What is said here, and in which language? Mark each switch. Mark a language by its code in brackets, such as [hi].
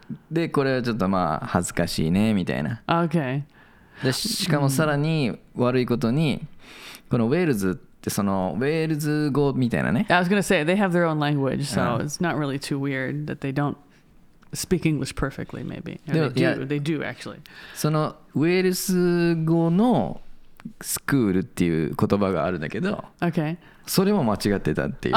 [ja] で、これはちょっとまあ恥ずかしいねみたいな。 [en] Okay. [ja] で、しかもさらに悪いことに、このウェールズってそのウェールズ語みたいなね。 [en] I was going to say, they have their own language, so it's not really too weird that they don't. Speak English perfectly, maybe. They do actually. [ja] そのウェールズ語のスクールっていう言葉があるんだけど、 [en] okay. [ja] それも間違ってたっていう。